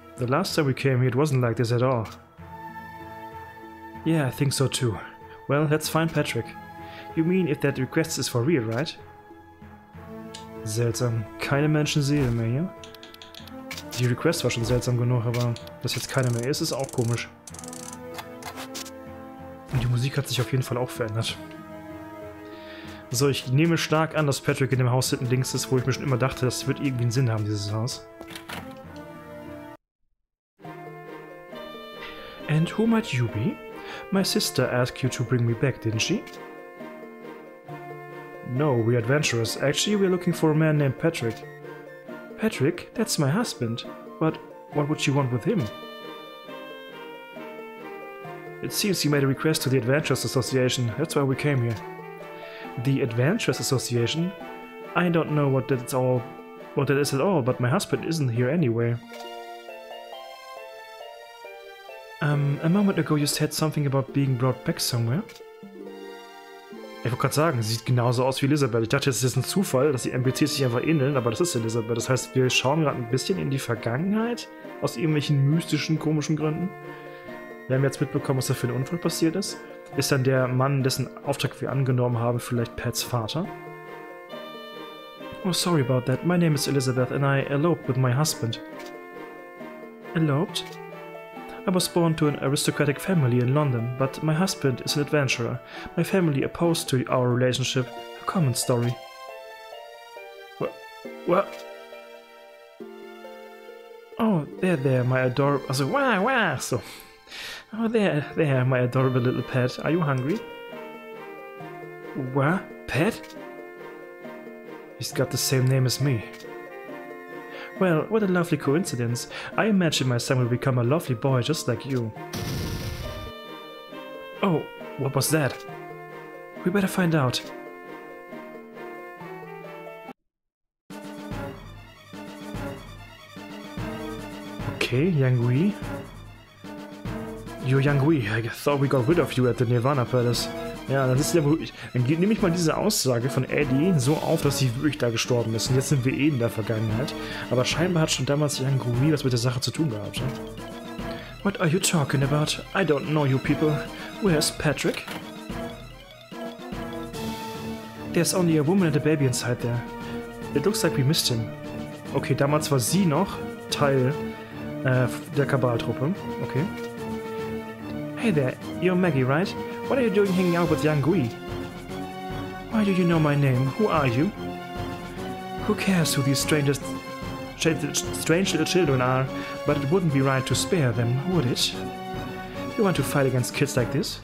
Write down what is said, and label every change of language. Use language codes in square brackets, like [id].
[en] The last time we came here, it wasn't like this at all. Yeah, I think so too. Well, let's find Patrick. You mean if that request is for real, right? [de] Seltsam. Keine Menschenseele mehr hier. Die Request war schon seltsam genug, aber dass jetzt keiner mehr ist, ist auch komisch. Und die Musik hat sich auf jeden Fall auch verändert. So, ich nehme stark an, dass Patrick in dem Haus hinten links ist, wo ich mir schon immer dachte, das wird irgendwie einen Sinn haben, dieses Haus. [en] And who might you be? My sister asked you to bring me back, didn't she? No, we're adventurers. Actually, we're looking for a man named Patrick. Patrick? That's my husband. But what would you want with him? It seems he made a request to the Adventurers Association. That's why we came here. The Adventurers Association? I don't know what that is at all, but my husband isn't here anyway. A moment ago you said something about being brought back somewhere. [de] Ich wollte gerade sagen, sie sieht genauso aus wie Elisabeth. Ich dachte, es ist jetzt ein Zufall, dass die NPCs sich einfach ähneln, aber das ist Elisabeth. Das heißt, wir schauen gerade ein bisschen in die Vergangenheit, aus irgendwelchen mystischen, komischen Gründen. Wir haben jetzt mitbekommen, was da für ein Unfall passiert ist. Ist dann der Mann, dessen Auftrag wir angenommen haben, vielleicht Pats Vater? [en] Oh, sorry about that. My name is Elizabeth and I eloped with my husband. Eloped? I was born to an aristocratic family in London, but my husband is an adventurer. My family opposed to our relationship. A common story. What? Oh, there, my adorable... So, wah! So... Oh, there, my adorable little pet. Are you hungry? What? Pet? He's got the same name as me. Well, what a lovely coincidence. I imagine my son will become a lovely boy just like you. Oh, what was that? We better find out. Okay, Yang-Gui. You're Yang-Gui. I thought we got rid of you at the Nirvana Palace. [de] Ja, das ist ja wirklich. Dann nehme ich mal diese Aussage von Eddie so auf, dass sie wirklich da gestorben ist. Und jetzt sind wir eh in der Vergangenheit. Aber scheinbar hat schon damals Yang-Gui was mit der Sache zu tun gehabt. Ja? [en] What are you talking about? I don't know you people. Where's Patrick? There's only a woman and a baby inside there. It looks like we missed him. [de] Okay, damals war sie noch Teil der Kabaltruppe. [en] Okay. Hey there, you're Maggie, right? What are you doing hanging out with Yang-Gui? Why do you know my name? Who are you? Who cares who these strange little children are? But it wouldn't be right to spare them, would it? You want to fight against kids like this?